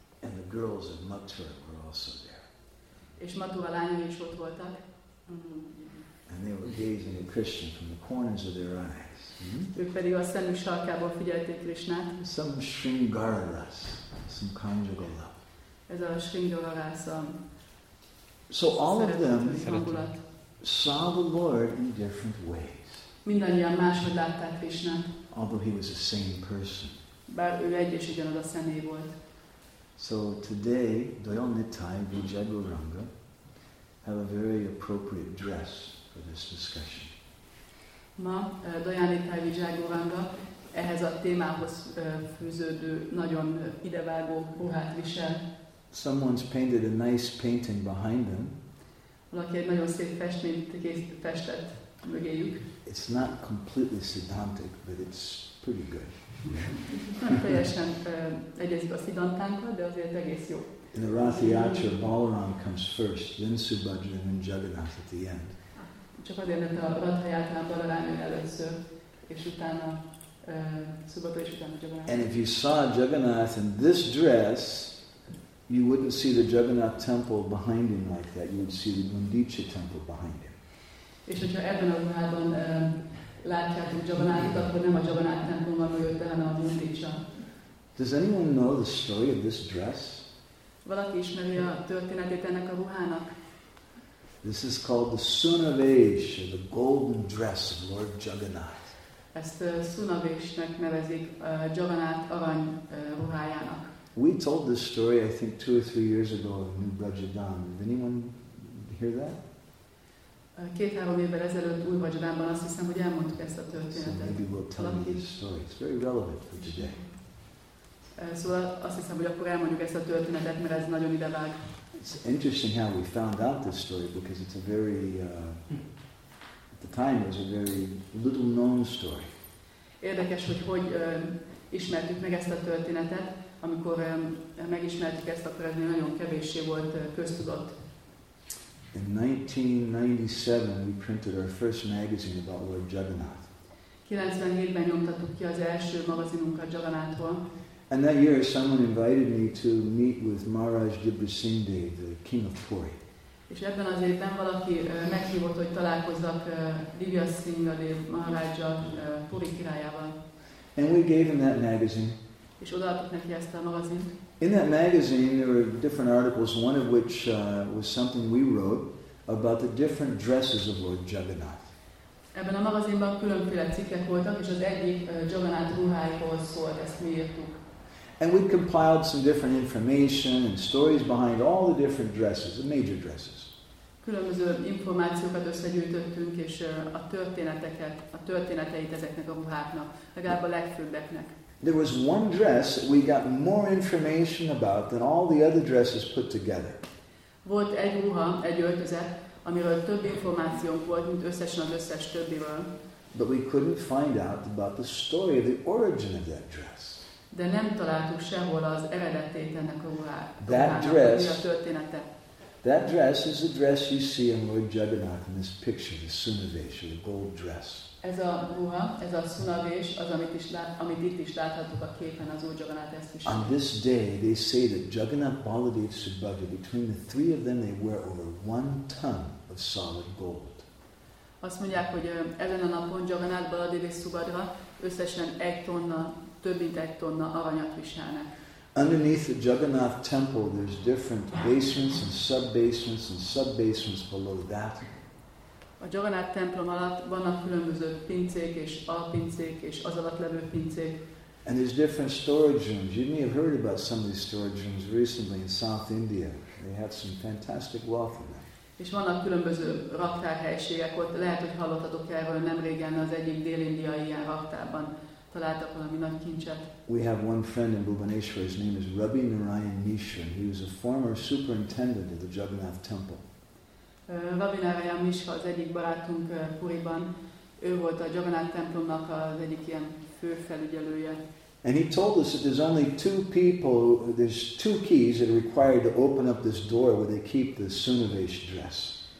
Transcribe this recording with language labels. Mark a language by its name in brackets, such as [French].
[English] And the girls of Mathura were also there. [Hungarian] És Mathura lányai is ott voltak. [English] And they were gazing at Krishna from the corners of their eyes. [Hungarian] Ők pedig a szemük sarkából figyelték Krishnát. [English] Some Sringara Ras, some conjugal love. [Hungarian] Ez a Sringara Ras. [English] So all of them saw the Lord in different ways. [Hungarian] Mindannyian máshogy látták Krishnát. [English] Although he was the same person. [Hungarian] Bár ő egy és ugyanaz a személy volt. [English] So today, Dayanitai Vijayaguranga have a very appropriate dress for this discussion. [Hungarian] Ma Dayanitai Vijayaguranga ehhez a témához fűződő nagyon idevágó ruhát visel. [English] Someone's painted a nice painting behind them. [Hungarian] Valaki egy nagyon szép festményt festett mögéjük. [English] It's not completely Siddhantic, but it's pretty good. [Hungarian] Nem teljesen egyezik a Siddhantánkkal, de azért egész jó. [English] In the Rath Yatra, Balaram comes first, then Subhadra, then Jagannath at the end. [Hungarian] Csak azért, mert a Radhajátán Balarán jön először, és utána Subhadra, és utána Jagannath. [English] And if you saw Jagannath in this dress, you wouldn't see the Jagannath temple behind him like that. You would see the Gundicha temple behind him. [Hungarian] És hogyha ebben a ruhában látjátok Jagannáthot, akkor nem a Jagannath templomban jött, hanem a Gundicha. [English] Does anyone know the story of this dress? [Hungarian] Valaki ismeri a történetét ennek a ruhának? [English] This is called the Sunavesh, or the golden dress of Lord Jagannath. [Hungarian] Ezt Sunavesh-nek nevezik, Jagannath arany ruhájának. [English] We told this story, I think, 2 or 3 years ago in New Brajadam. Did anyone hear that? [Hungarian] 2-3 évvel ezelőtt Új Brajadamban azt hiszem, hogy elmondtuk ezt a történetet. [English] So maybe we'll tell you this story. It's very relevant for today. [Hungarian] Szóval azt hiszem, hogy akkor elmondjuk ezt a történetet, mert ez nagyon idevág. [English] It's interesting how we found out this story because it's a very, at the time, it was a very little-known story. [Hungarian] Érdekes, hogy ismertük meg ezt a történetet, amikor megismertük ezt, akkor ez nagyon kevéssé volt köztudott. [English] In 1997, we printed our first magazine about Lord Jagannath. [Hungarian] 97-ben nyomtattuk ki az első magazinunkat Jagannathról. [English] And that year, someone invited me to meet with Maharaj Dibrasingdev, the king of Puri. [Hungarian] És ebben az évben valaki meghívott, hogy találkozzak Dibrasingdev Maharajjal, Puri királyával. [English] And we gave him that magazine. [Hungarian] És odaadtuk neki ezt a magazint. [English] In that magazine, there were different articles, one of which was something we wrote about the different dresses of Lord Jagannath. [Hungarian] Ebben a magazinban különféle cikkek voltak, és az egyik Jagannath ruháiról szólt, ezt mi írtuk. [English] And we compiled some different information and stories behind all the different dresses, the major dresses. [Hungarian] Különböző információkat összegyűjtöttünk, és a történeteit ezeknek a ruháknak, legalább a legfőbbeknek. [English] There was one dress that we got more information about than all the other dresses put together. [Hungarian] Volt egy ruha, egy öltözet, amiről több információnk volt, mint összesen az összes többiről. [English] But we couldn't find out about the story of the origin of that dress. [Hungarian] De nem találtuk sehol az eredetét ennek a ruhának. [English] That dress, [Hungarian] a története. [English] That dress is the dress you see in Lord Jagannath in this picture, the Sunavesha, the gold dress. [Hungarian] Ez a ruha, ez a szunavés, az amit itt is láthatjuk a képen az Úr Jagannath ezt is. [English] On this day they say that Jagannath Baladev Subhadra, between the three of them they wear over one ton of solid gold. [Hungarian] Azt mondják, hogy ezen a napon Jagannath Baladev és Subhadra összesen egy tonna, több mint egy tonna aranyat viselnek. [English] Underneath the Jagannath temple there's different basements and sub-basements and sub-basements below that. [Hungarian] A Jagannath templom alatt vannak különböző pincék és alpincék és az alatt levő pincék. [English] And there's different storage rooms. You may have heard about some of these storage rooms recently in South India. They have some fantastic wealth in them. [Hungarian] És vannak különböző raktárhelyiségek, ott lehet, hogy hallottatok erről nemrégen az egyik dél-indiai ilyen raktárban találtak valami nagy kincset. [English] We have one friend in Bhubaneswar, his name is Rabbi Narayan Mishra. He was a former superintendent of the Jagannath temple. [Hungarian] Rabbi Narayan Mishra az egyik barátunk Puriban. Ő volt a Jagannath templomnak az egyik ilyen fő felügyelője. [English] And he told us that there's only two people, there's two keys that are required to open up this door where they keep the Sunavesh dress.